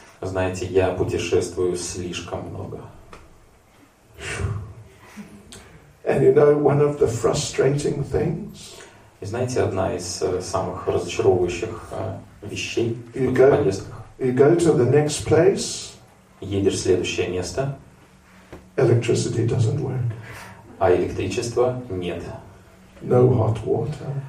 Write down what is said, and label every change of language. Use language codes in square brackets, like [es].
[ru] Знаете, я путешествую слишком много. [en] And you know, one of the frustrating things. [ru] И знаете, одна из самых разочаровывающих вещей в поездках. [en] You go to the next place. [ru] Едешь в следующее место. [en] Electricity doesn't work. [ru] А электричества нет. [en] No hot water.